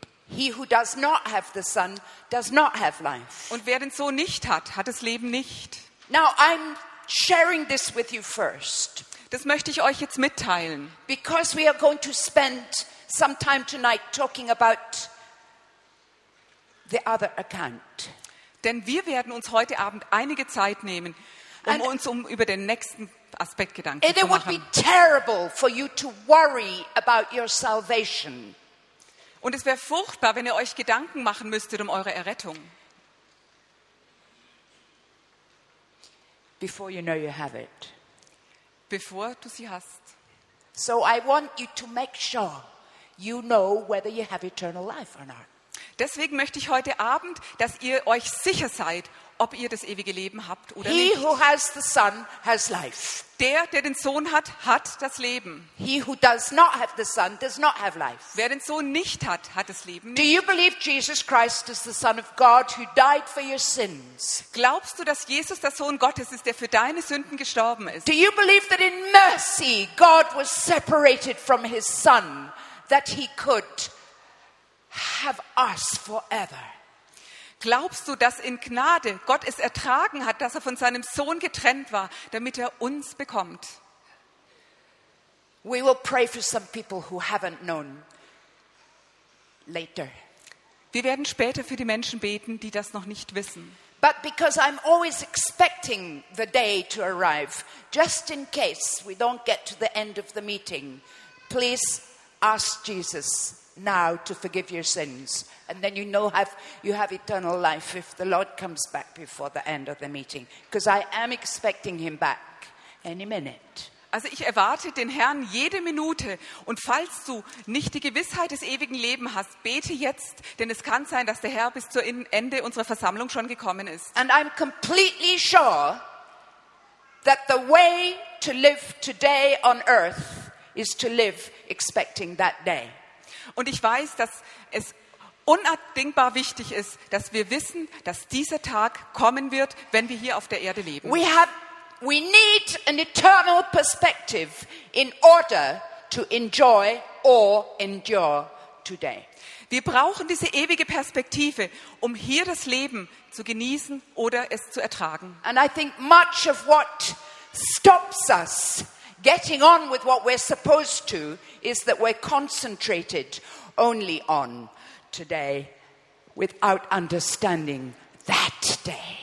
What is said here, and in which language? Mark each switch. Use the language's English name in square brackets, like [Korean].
[English] He who does not have the Son does not have life. [German] Und wer den Sohn nicht hat, hat das Leben nicht. [English] Now I'm sharing this with you first. [German] Das möchte ich euch jetzt mitteilen. [English] Because we are going to spend some time tonight talking about the other account. [German] Denn wir werden uns heute Abend einige Zeit nehmen, um über den nächsten Aspekt Gedanken zu machen. [English] It would be terrible for you to worry about your salvation. [German] Und es wäre furchtbar, wenn ihr euch Gedanken machen müsstet um eure Errettung. [English] Before you know you have it. [German] Bevor du sie hast. [English] So I want you to make sure you know whether you have eternal life or not. [German] Deswegen möchte ich heute Abend, dass ihr euch sicher seid, ob ihr das ewige Leben habt oder nicht. [English] He who has the Son has life. [German] Der den Sohn hat, hat das Leben. [English] He who does not have the Son does not have life. [German] Wer den Sohn nicht hat, hat das Leben nicht. [English] Do you believe Jesus Christ is the Son of God who died for your sins? [German] Glaubst du, dass Jesus der Sohn Gottes ist, der für deine Sünden gestorben ist? [English] Do you believe that in mercy God was separated from his Son? that he could have us forever. [German] Glaubst du, dass in Gnade Gott es ertragen hat, dass er von seinem Sohn getrennt war, damit er uns bekommt? [English] We will pray for some people who haven't known later. [German] Wir werden später für die Menschen beten, die das noch nicht wissen. [English] But because I'm always expecting the day to arrive, just in case we don't get to the end of the meeting, please ask Jesus now to forgive your sins, and then you have eternal life if the Lord comes back before the end of the meeting, because I am expecting him back any minute. [German] Also ich erwarte den Herrn jede Minute, und falls du nicht die Gewissheit des ewigen Lebens hast, bete jetzt, denn es kann sein, dass der Herr bis zum Ende unserer Versammlung schon gekommen ist. [English] And I'm completely sure that the way to live today on earth is to live expecting that day. [German] Und ich weiß, dass es unabdingbar wichtig ist, dass wir wissen, dass dieser Tag kommen wird, wenn wir hier auf der Erde leben. [English] We need an eternal perspective in order to enjoy or endure today. [German] Wir brauchen diese ewige Perspektive, um hier das Leben zu genießen oder es zu ertragen. [English] And I think much of what stops us getting on with what we're supposed to is that we're concentrated only on today without understanding that day.